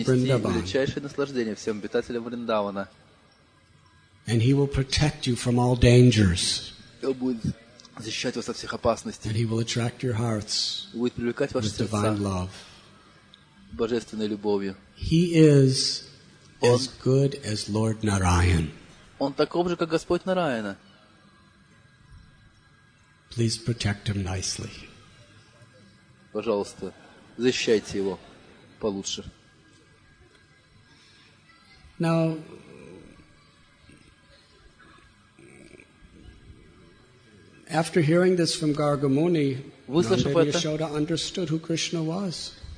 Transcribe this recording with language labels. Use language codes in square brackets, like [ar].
[en] Vrindavan. And he will protect you from all dangers. And he will attract your hearts with divine love. He is as good as Lord Narayan. [ru] Он таков же, как Господь Нараяна. [en] Please protect him nicely. [ru] Пожалуйста, защищайте его получше. [en] Now, after hearing this from Garga Muni, Nanda Yashoda understood who Krishna was.